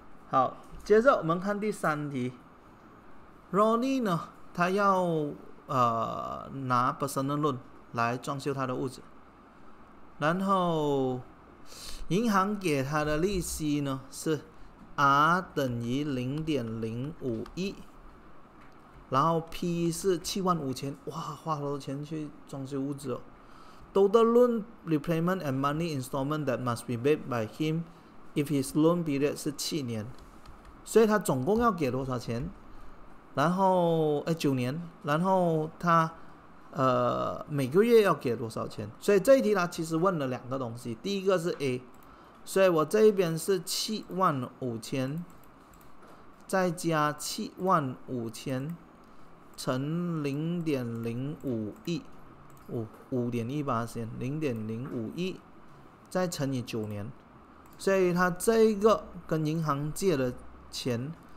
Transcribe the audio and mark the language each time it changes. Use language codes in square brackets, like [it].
[zh] 好，接着我们看第三题。Rony 呢他要拿 personal loan 来装修他的屋子，然后银行给他的利息呢是 R 等于 0.051， 然后 P 是75000，哇，花了钱去装修屋子哦。 [en] Total loan repayment and money installment that must be paid by him if his loan period [zh] 是7年，所以他总共要给多少钱， [en] 然后9年，然后他每个月要给多少钱。 [zh] 所以这一题他其实问了两个东西，第一个是 A， 所以我这边是75000再加75000乘 0.051 5.1% 0.051 再乘以9年，所以他这一个跟银行借的钱